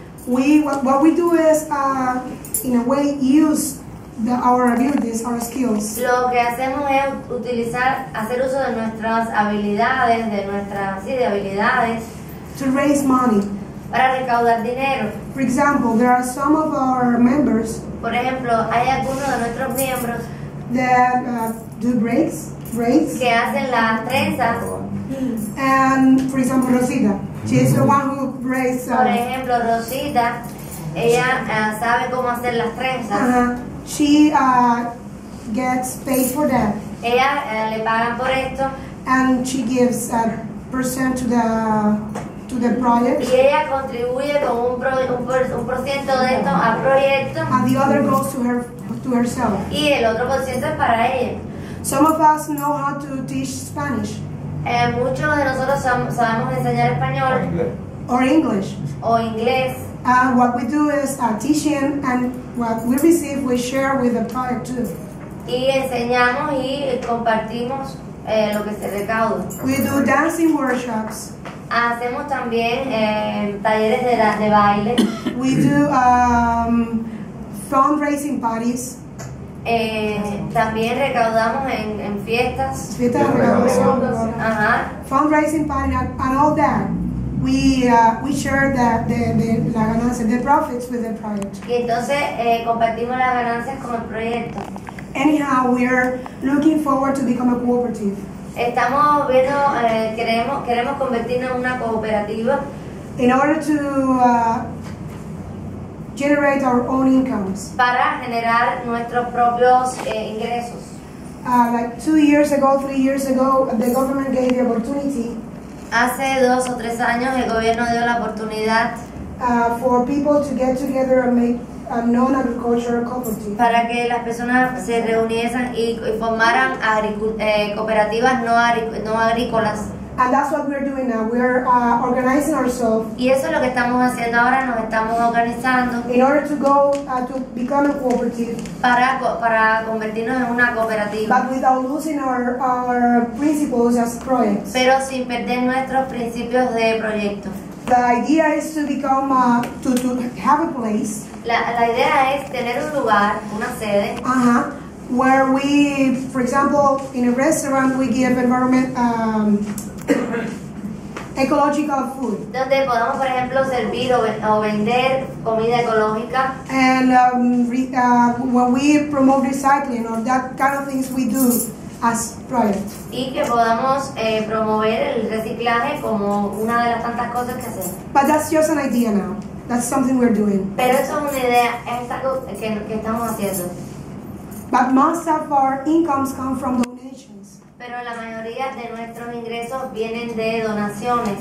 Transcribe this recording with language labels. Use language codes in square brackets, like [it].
[en] What we do is in a way use our abilities, our skills. [es] Lo que hacemos es hacer uso de nuestras habilidades, de habilidades. [en] to raise money. [es] Para recaudar dinero. [en] For example, there are some of our members. [es] Por ejemplo, hay algunos de nuestros miembros. [en] That do braids. [es] Que hacen las trenzas. [en] And for example, Rosita. She is the one who braids. [es] Por ejemplo, Rosita. Ella sabe cómo hacer las trenzas. [en] She gets paid for that. [es] Ella le pagan por esto. [en] And she gives a percent to the project. [es] Y ella contribuye con un por ciento de esto al proyecto. [en] And the other goes to her to herself. [es] Y el otro por ciento es para ella. [en] Some of us know how to teach Spanish. [es] Muchos de nosotros sabemos enseñar español. [en] Or English. [es] O inglés. [en] And what we do is teaching, and what we receive, we share with the product too. [es] Y enseñamos y compartimos lo que se recauda. [en] We do dancing workshops. [es] Hacemos también talleres de baile. [en] We do fundraising parties. [es] También recaudamos en fiestas. Fiestas de recaudación. [en] Fundraising parties and all that. We share the [es] la ganancia, [en] the profits with the project. [es] Y entonces compartimos las ganancias con el proyecto. [en] Anyhow, we are looking forward to become a cooperative. [es] Estamos viendo, queremos convertirnos en una cooperativa. [en] In order to generate our own incomes. [es] Para generar nuestros propios ingresos. [en] Like 2 years ago, 3 years ago, the government gave the opportunity. [es] Hace 2 o 3 años el gobierno dio la oportunidad [en] for people to get together and make a non-agricultural cooperative. [es] Para que las personas se reuniesen y formaran cooperativas no agrícolas. [en] And that's what we're doing now. We're organizing ourselves. [es] Y eso es lo que estamos haciendo ahora. Nos estamos organizando. [en] In order to go to become a cooperative. [es] Para convertirnos en una cooperativa. [en] But without losing our principles as projects. [es] Pero sin perder nuestros principios de proyecto. [en] The idea is to become to have a place. [es] La idea es tener un lugar, una sede. [en] Where we, for example, in a restaurant, we give environment. Ecological food. [es] Donde podamos, por ejemplo, servir o vender comida ecológica. [en] And when we promote recycling or that kind of things, we do as project. [es] Y que podamos promover el reciclaje como una de las tantas cosas que hacemos. [en] But that's just an idea now. That's something we're doing. [es] Pero eso es una idea, es algo que estamos haciendo. [en] But most of our incomes come from the [es] pero la mayoría de nuestros ingresos vienen de donaciones.